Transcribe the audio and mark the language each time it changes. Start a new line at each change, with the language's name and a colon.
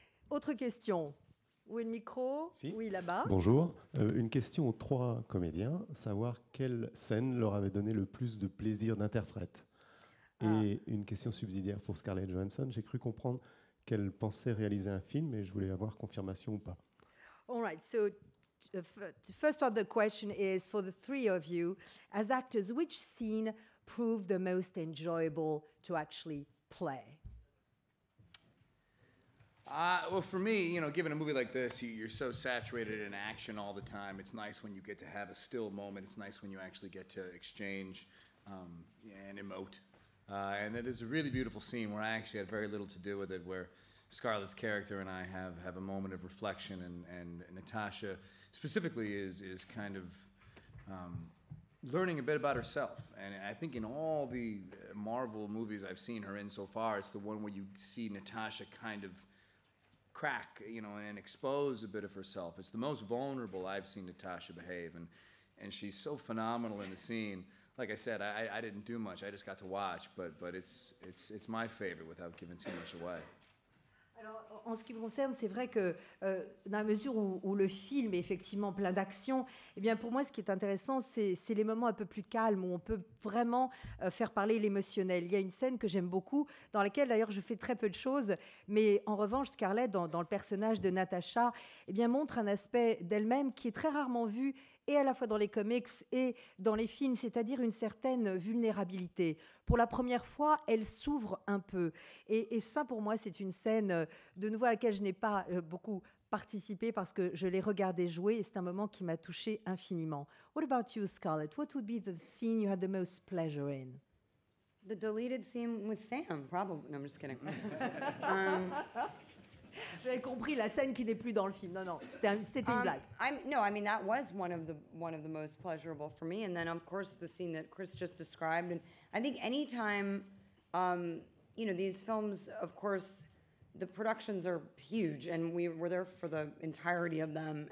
French: Autre question. Où est le micro? Si. Oui, là-bas. Bonjour. Une question aux trois comédiens. Savoir quelle scène leur avait donné le plus de plaisir d'interprète. Et une question subsidiaire pour Scarlett Johansson. J'ai cru comprendre qu'elle pensait réaliser un film et je voulais avoir confirmation ou pas.
English: All right. So, the first part of the question is for the three of you. As actors, which scene proved the most enjoyable to actually play? Well, for me, you know, given a movie like this, you're so saturated in action all the time. It's nice when you get to have a still moment. It's nice when you actually get to exchange and emote. And then there's a really beautiful scene where I actually had very little to do with it, where Scarlett's character and I have a moment of reflection, and Natasha specifically is kind of learning a bit about herself. And I think in all the Marvel movies I've seen her in so far, it's the one where you see Natasha kind of crack, you know, and expose a bit of herself. It's the most vulnerable I've seen Natasha behave, and she's so phenomenal in the scene. Like I said, I didn't do much. I just got to watch, but it's my favorite without giving too much away.
French: Alors, en ce qui me concerne, c'est vrai que dans la mesure où le film est effectivement plein d'action, eh bien pour moi, ce qui est intéressant, c'est les moments un peu plus calmes où on peut vraiment faire parler l'émotionnel. Il y a une scène que j'aime beaucoup, dans laquelle d'ailleurs je fais très peu de choses, mais en revanche, Scarlett, dans le personnage de Natasha, eh bien montre un aspect d'elle-même qui est très rarement vu, et à la fois dans les comics et dans les films, c'est-à-dire une certaine vulnérabilité. Pour la première fois, elle s'ouvre un peu. Et ça, pour moi, c'est une scène, de nouveau, à laquelle je n'ai pas beaucoup participé parce que je l'ai regardée jouer et c'est un moment qui m'a touchée infiniment.
English: What about you, Scarlett? What would be the scene you had the most pleasure in? The deleted scene with Sam, probably. No, I'm just kidding.
French: Vous avez compris la scène qui n'est plus dans le film. Non, c'était une blague.
English: That was one of the most pleasurable for me. And then, of course, the scene that Chris just described. And I think any time, you know, these films, of course, the productions are huge, and we were there for the entirety of them.